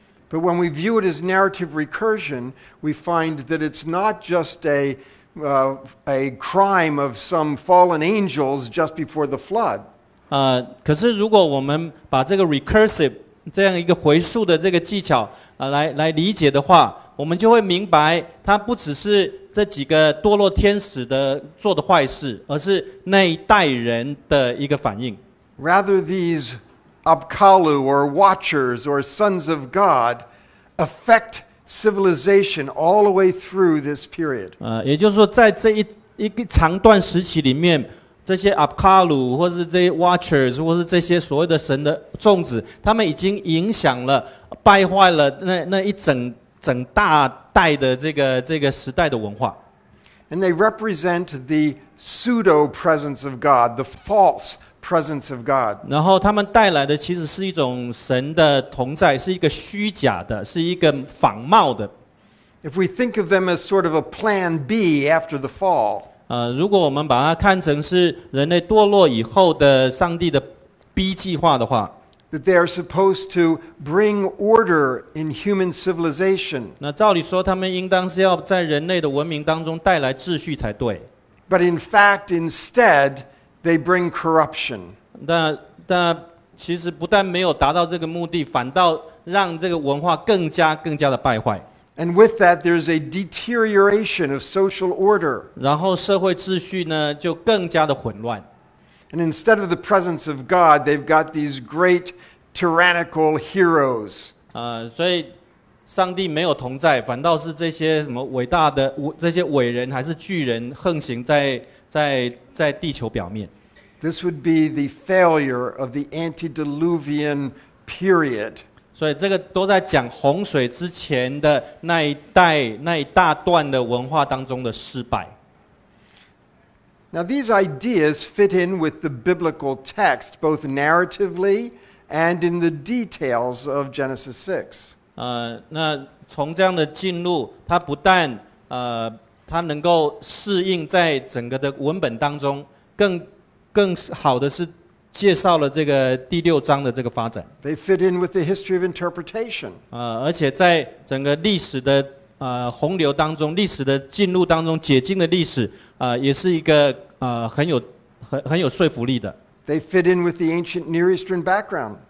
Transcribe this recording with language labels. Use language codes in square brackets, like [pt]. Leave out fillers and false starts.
[en] But when we view it as narrative recursion, we find that it's not just a crime of some fallen angels just before the flood. [zh] 可是如果我们把这个 recursive 这样一个回溯的这个技巧来理解的话，我们就会明白它不只是这几个堕落天使的做的坏事，而是那一代人的一个反应。 [en] Rather, these Abkalu or watchers or sons of God affect civilization all the way through this period. [zh] 也就是说在这一长段时期里面，这些 Abkalu 或是这些 watchers 或是这些所谓的神的众子，他们已经影响了败坏了那一整大代的这个时代的文化。 [en] And they represent the pseudo presence of God, the false presence of God. [zh] 然后他们带来的其实是一种神的同在，是一个虚假的，是一个仿冒的。 [en] If we think of them as sort of a plan B after the fall, [zh] 如果我们把它看成是人类堕落以后的上帝的 B 计划的话， [en] that they are supposed to bring order in human civilization. [zh] 那照理说他们应当是要在人类的文明当中带来秩序才对。 [en] But in fact, instead, they bring corruption. [zh] 但其实不但没有达到这个目的，反倒让这个文化更加的败坏。 [en] And with that, there's a deterioration of social order. [zh] 然后社会秩序呢，就更加的混乱。 [en] And instead of the presence of God, they've got these great tyrannical heroes. [zh] 所以上帝没有同在，反倒是这些什么伟大的这些伟人还是巨人横行在地球表面。 [en] This would be the failure of the antediluvian period. [zh] 所以这个都在讲洪水之前的那一大段的文化当中的失败。 [en] Now these ideas fit in with the biblical text both narratively and in the details of Genesis 6. [zh] 那从这样的进入，它不但它能够适应在整个的文本当中，更好的是介绍了这个第六章的这个发展。 [en] They fit in with the history of interpretation. [zh] 而且在整个历史的洪流当中，历史的进入当中，解经的历史也是一个很有说服力的。 [en] They fit in with the ancient Near Eastern background.